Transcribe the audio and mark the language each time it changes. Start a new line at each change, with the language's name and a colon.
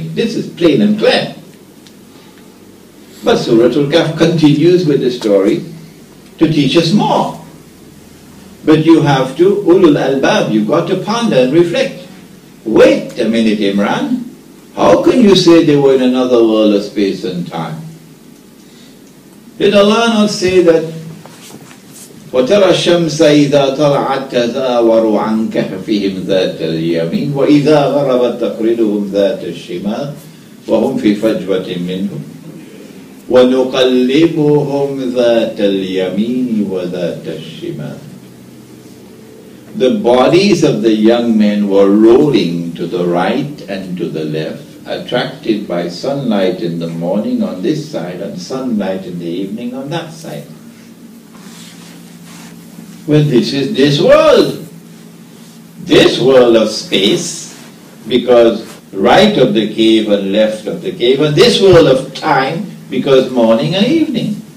English: This is plain and clear. But Surah Al-Kahf continues with the story to teach us more. But you have to, ulul albab, you've got to ponder and reflect. Wait a minute, Imran. How can you say they were in another world of space and time? Did Allah not say that
Arabic: وَتَرَى الشَّمْسَ إِذَا طَلَعَتْ تَزَاوَرُ عَنْ كَهْفِهِمْ ذَاتَ الْيَمِينِ وَإِذَا غَرَبَتْ تَقْرِضُهُمْ ذَاتَ الشِّمَالِ وَهُمْ فِي فَجْوَةٍ مِّنْهُمْ وَنُقَلِّبُهُمْ ذَاتَ الْيَمِينِ وَذَاتَ الشِّمَالِ.
English: The bodies of the young men were rolling to the right and to the left, attracted by sunlight in the morning on this side and sunlight in the evening on that side. Well, this is this world of space, because right of the cave and left of the cave, and this world of time, because morning and evening.